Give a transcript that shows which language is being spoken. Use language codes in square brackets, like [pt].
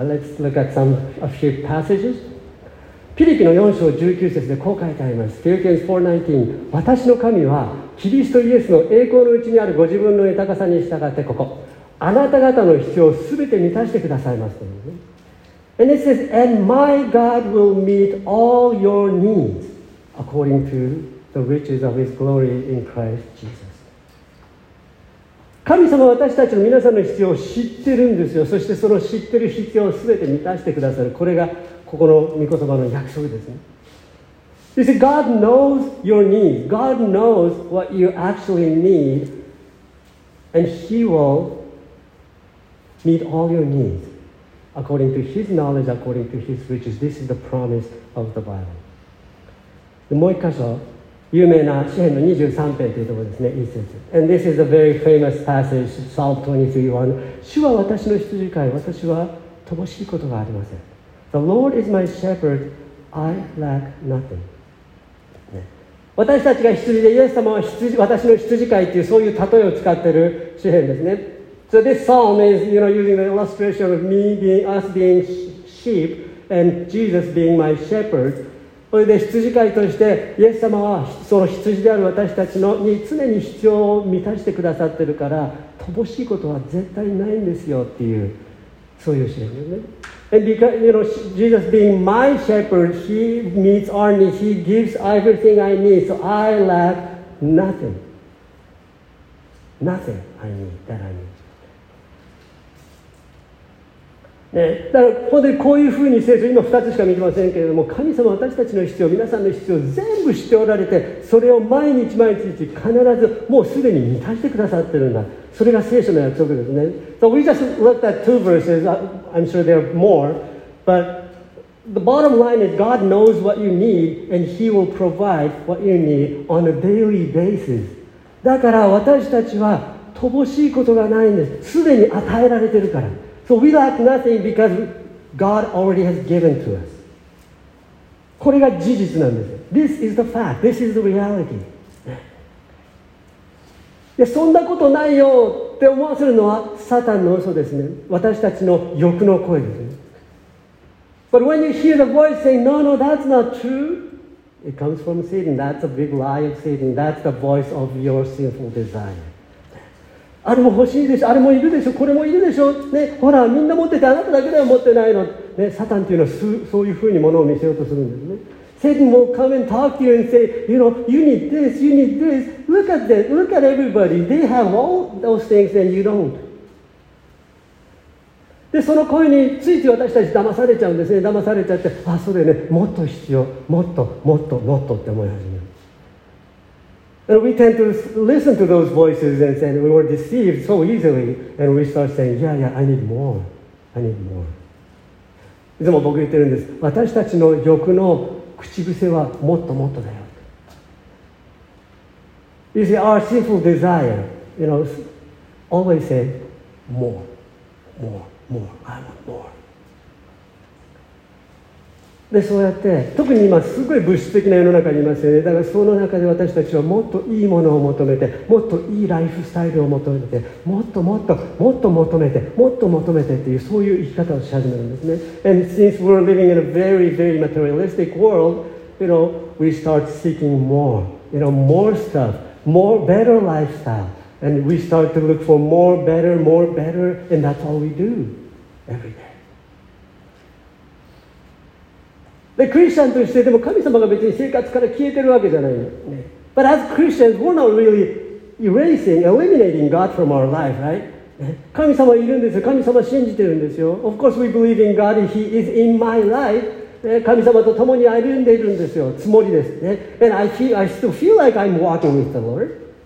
[en] Let's look at some, a few passages. [ja] ピリピの4章19節でこう書いてあります。Philippians 4:19 私の神は、キリストイエスの栄光のうちにあるご自分の豊かさに従ってここ、あなた方の必要をすべて満たしてくださいます。 [en] And it says, and my God will meet all your needs according to the riches of his glory in Christ Jesus. [ja] 神様は私たちの皆さんの必要を知ってるんですよ。そしてその知ってる必要を全て満たしてくださる。これがここの御言葉の約束ですね。 [en] You see, God knows your needs. God knows what you actually need. And he will meet all your needs. According to his knowledge, according to his riches. This is the promise of the Bible. [ja] でもう一箇所、有名な詩篇の23編というところですね。一節。 [en] And this is a very famous passage, Psalm 23:1. [ja] 主は私の羊飼い、私は乏しいことがありません。 [en] The Lord is my shepherd, I lack nothing.、 [ja] ね、私たちが羊で、イエス様は羊、私の羊飼いというそういう例えを使っている詩篇ですね。 [en] So this psalm is, you know, using the illustration of me being, us being sheep and Jesus being my shepherd. [ja] それで羊飼いとして、イエス様はその羊である私たちのに常に必要を満たしてくださってるから、乏しいことは絶対ないんですよっていう、そういう詩ですね。 [en] And because, you know, Jesus being my shepherd, he meets our needs, he gives everything I need, so I lack nothing. Nothing I need, that I need. [ja] ね、だから本当にこういうふうに聖書今2つしか見てませんけれども、神様私たちの必要、皆さんの必要全部知っておられて、それを毎日毎日必ずもうすでに満たしてくださってるんだ。それが聖書の約束ですね。 [en] So we just looked at two verses. I'm sure there are more, but the bottom line is God knows what you need and he will provide what you need on a daily basis. [ja] だから私たちは乏しいことがないんです。すでに与えられてるから。 [en] So we lack nothing because God already has given to us. [ja] これが事実なんです。 [en] This is the fact. This is the reality. [ja] いや、そんなことないよって思わせるのはサタンの嘘ですね。私たちの欲の声ですね。 [en] But when you hear the voice saying, no, no, that's not true, it comes from Satan. That's a big lie of Satan. That's the voice of your sinful desire. [ja] あれも欲しいでしょ、あれもいるでしょ、これもいるでしょ、ね、ほらみんな持ってて、あなただけでは持ってないの、ね、サタンというのはそういうふうにものを見せようとするんですね。 [en] Satan will come and talk to you and say, you know, you need this, you need this, look at this, look at everybody, they have all those things and you don't. [ja] でその声についつい私たち騙されちゃうんですね。騙されちゃって、あ、それね、もっと必要、もっともっともっとって思い始める。 [en] And we tend to listen to those voices and say we were deceived so easily and we start saying, yeah, yeah, I need more. I need more. [ja] いつも僕言ってるんです。私たちの欲の口癖はもっともっとだよ。 [en] You see, our sinful desire, you know, always say more, more, more, I want more. [ja] で、そうやって、特に今すごい物質的な世の中にいますよね。だからその中で私たちはもっといいものを求めて、もっといいライフスタイルを求めて、もっともっともっと求めて、もっと求めてっていう、そういう生き方をし始めるんですね。 [en] And since we're living in a very, very materialistic world, you know, we start seeking more, you know, more stuff. More better lifestyle, and we start to look for more better, and that's all we do every day. The Christian [ja] としてでも神様が別に生活から消えてるわけじゃないよ。 [en] But as Christians, we're not really erasing, eliminating God from our life, right? [ja] 神様いるんですよ。神様信じてるんですよ。 [en] Of course, we believe in God. He is in my life. [ja] 神様と共に歩んでいるんですよ。つもりですね。 [en] And I still feel like I'm walking with the Lord.